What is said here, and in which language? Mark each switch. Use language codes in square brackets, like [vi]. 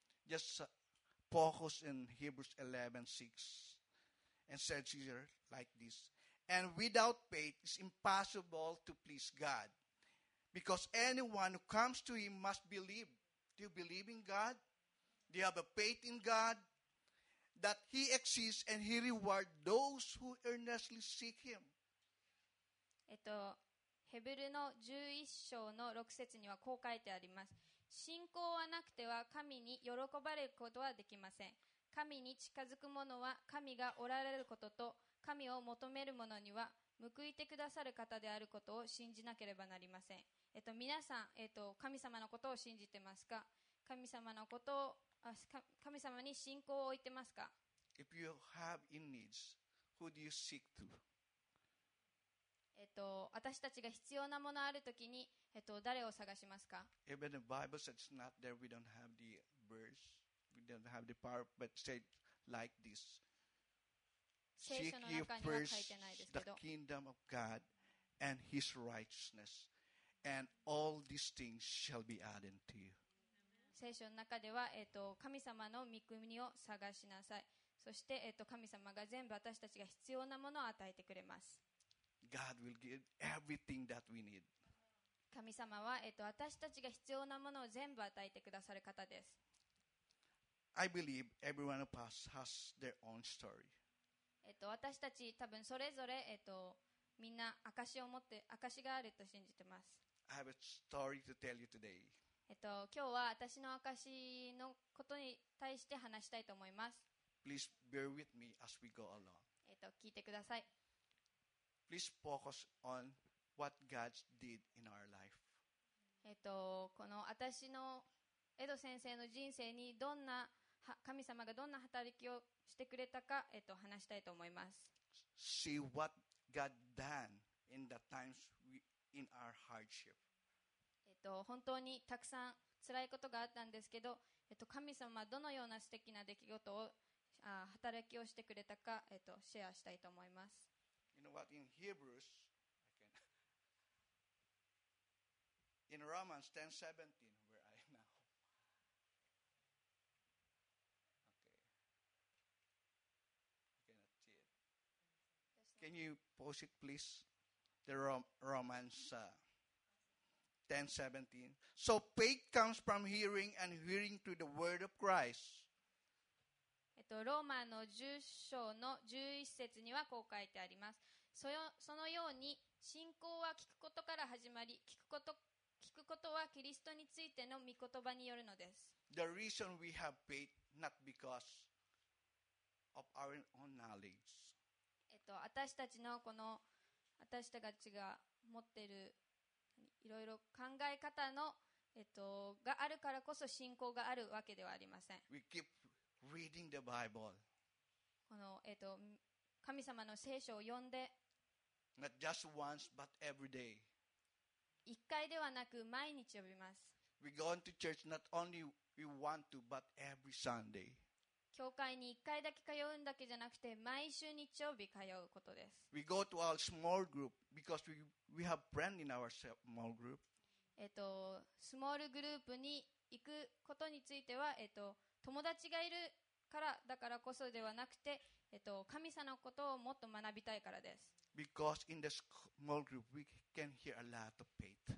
[en] Just focus in Hebrews 11:6, and says here like this: And without faith, it's impossible to please God, because anyone who comes to Him must believe. Do you believe in God? Do you have a faith in God that He exists and He rewards those who earnestly seek Him? [ja] ヘブルの11章の6節にはこう書いてあります。信仰はなくては神に喜ばれることはできません。神に近づく者は神がおられることと、神を求める者には報いてくださる方であることを信じなければなりません。皆さん、神様のことを信じてますか？神様のことを、神様に信仰を置いてますか？ [en] If you have in needs, who do you seek to? [ja] 私たちが必要なものあるときに、誰を探しますか？ [en] Even the Bible says it's not there, we don't have the verse, we don't have the power, but say it like this. [ja] 聖書の中には書いてないですけど。 [en] Seek ye first the kingdom of God and His righteousness, and all these things shall be added to you. [ja] 聖書の中では、神様の御国を探しなさい。そして、神様が全部私たちが必要なものを与えてくれます。 [en] God will give everything that we need. [ja] 神様は、私たちが必要なものを全部与えてくださる方です。 [en] I believe everyone of us has their own story. [ja] 私たち多分それぞれ、みんな証を持って証があると信じてます。 [en] I have a story to tell you today. [ja] 今日は私の証のことに対して話したいと思います。 [en] Please bear with me as we go along. [ja] 聞いてください。 [en] Please focus on what God did in our life. [ja] この私のエド先生の人生にどんな神様がどんな働きをしてくれたか、話したいと思います。 [en] See what God done in the times we, in our hardship. [ja] 本当にたくさん辛いことがあったんですけど、神様はどのような素敵な出来事を働きをしてくれたか、シェアしたいと思います。 [en] You know what? In Hebrews, I can. In Romans 10:17, where I am now. Okay. I cannot see it. Can you pause it, please? The Romans 10:17. So faith comes from hearing, and hearing through the word of Christ. [ja] ローマの10章の11節にはこう書いてあります。そのように信仰は聞くことから始まり、聞くことはキリストについての御言葉によるのです。 [en] The reason we have faith, not because of our own knowledge. [ja] 私たちが持っているいろいろ考え方の、があるからこそ信仰があるわけではありません。 [en] We keepReading the Bible. [ja] この、神様の聖書を読んで、 [en] Not just once, but every day. [ja] 一回ではなく毎日読みます。 [en] We go into church not only we want to, but every Sunday. [ja] 教会に一回だけ通うんだけじゃなくて、毎週日曜日通うことです。 [en] We go to our small group because we have friend in our small group. [ja] スモールグループに行くことについては、友達がいるからだからこそではなくて、神様のことをもっと学びたいからです。 [en] Because in the small group we can hear a lot of faith.